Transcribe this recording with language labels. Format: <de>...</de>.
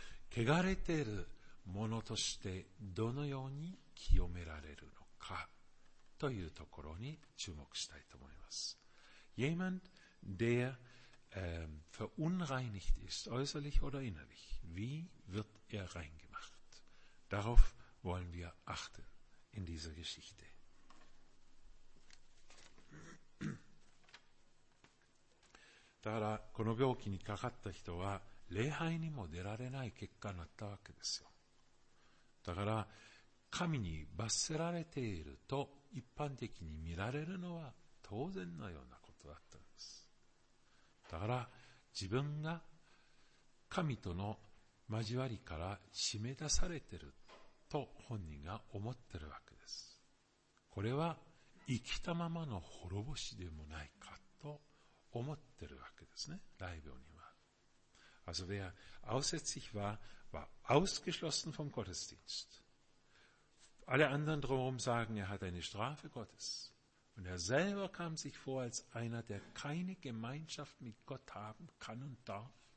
<ja>Kegareteru mono toshite dono you ni kiyomerareru no ka というところに注目したいと思います。</ja> <de>Jemand, der verunreinigt ist, äußerlich oder innerlich, wie wird er rein gemacht? Darauf wollen wir achten in dieser Geschichte.</de> <ja>だからこの病気にかかった人は礼拝にも出られない結果になったわけですよ。だから神に罰せられていると一般的に見られるのは当然のようなことだったんです。だから自分が神との交わりから締め出されていると本人が思っているわけです。これは生きたままの滅ぼしでもないかと思っているわけですね。大病人は</ja> <de>Also wer aussätzig war, war ausgeschlossen vom Gottesdienst. Alle anderen drumherum sagen, er hat eine Strafe Gottes. Und er selber kam sich vor als einer, der keine Gemeinschaft mit Gott haben kann und darf.</de>